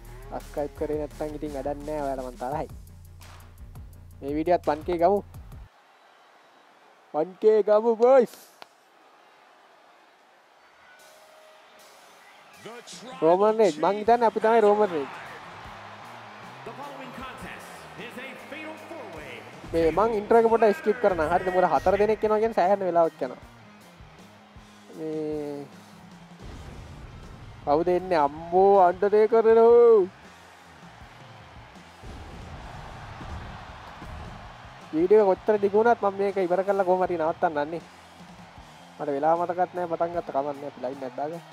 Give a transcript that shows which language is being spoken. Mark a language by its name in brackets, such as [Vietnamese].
[Sinhala] subscribe කරේ නැත්නම් ඉතින් වැඩක් නැහැ. ඔයාලා මන් තරහයි. මේ වීඩියෝත් 1K ගමු. 1K ගමු boys. Roman Reigns මං හිතන්නේ අපි තමයි Roman Reigns. [English] The following contest is a fatal four way. [Sinhala] මේ මං intro එක පොඩ්ඩක් skip කරනවා. හරිද? මොකද හතර දෙනෙක් එනවා කියන්නේ සෑහෙන වෙලාවක් යනවා. මේ කවුද එන්නේ අම්මෝ අන්ඩරේ කරනෝ වීඩියෝ එක ඔච්චර දිග වුණත් මම මේක ඉවර කරලා කොහොම හරි නවත්තන්නන්නේ මට වෙලා මතකත් නැහැ පටන් ගත්ත කමන්නේ අපි ලයින් නැද්දාද